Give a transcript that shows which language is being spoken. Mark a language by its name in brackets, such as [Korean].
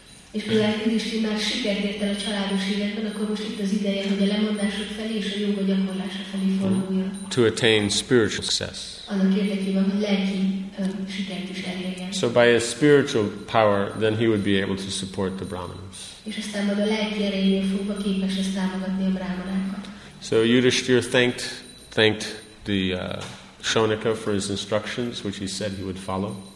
[English] És mivel Yudhishthira már sikert ért el a családos életben, akkor most itt az ideje, hogy a lemondások felé és a jóga gyakorlása felé forduljon. To attain spiritual success. [Hungarian] Annak érdekében, hogy lelki sikert is elérjen. [English] So by his spiritual power, then he would be able to support the brahmanas. [Hungarian] És aztán majd a lelki erejénél fogva képes lesz támogatni a brahmanákat. [English] So Yudhishthira thanked the Shonaka for his instructions, which he said he would follow.